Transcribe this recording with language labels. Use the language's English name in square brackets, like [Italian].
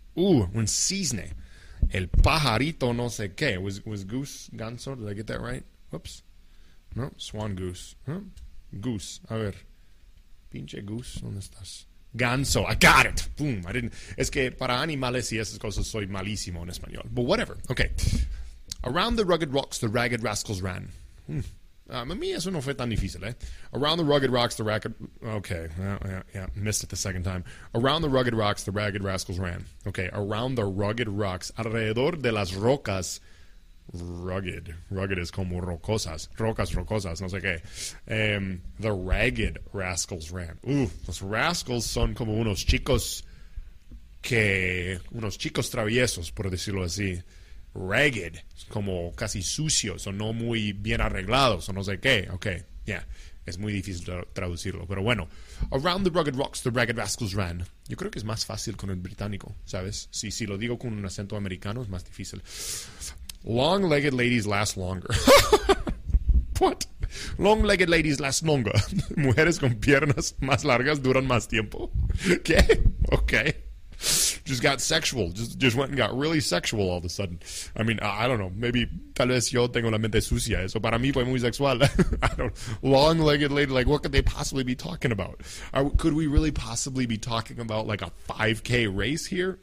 [Spanish] Ooh, un cisne. El pajarito no sé qué. [English] Was goose ganso? Did I get that right? Whoops. No, swan goose. Huh? Goose. [Spanish] A ver. [English] Pinche goose. [Spanish] ¿Dónde estás? [English] Ganso. I got it. Boom. I didn't. [Spanish] Es que para animales y esas cosas soy malísimo en español. [English] But whatever. Okay. Around the rugged rocks, the ragged rascals ran. [Spanish] A mí eso no fue tan difícil, eh? [English] Around the rugged rocks, the ragged... Okay, yeah, missed it the second time. Around the rugged rocks, the ragged rascals ran. Okay, around the rugged rocks. [Spanish] Alrededor de las rocas. [English] Rugged. Rugged is [Spanish] como rocosas. Rocas, rocosas, no sé qué. [English] The ragged rascals ran. [Spanish] Los rascals son como unos chicos que... Unos chicos traviesos, por decirlo así. Ragged, como casi sucios o no muy bien arreglados o no sé qué. Okay, yeah, es muy difícil traducirlo, pero bueno. [English] Around the rugged rocks, the ragged rascals ran. [Spanish] Yo creo que es más fácil con el británico, ¿sabes? Si lo digo con un acento americano, es más difícil. [English] Long-legged ladies last longer. What? Long-legged ladies last longer. [Spanish] Mujeres con piernas más largas duran más tiempo. [English] ¿Qué? Okay. Just got sexual. Just went and got really sexual all of a sudden. I mean, I don't know. [Spanish] Maybe, tal vez yo tengo la mente sucia. Eso para mí fue muy sexual. [English] I don't know. Long-legged lady, like, what could they possibly be talking about? Could we really possibly be talking about, like, a 5K race here?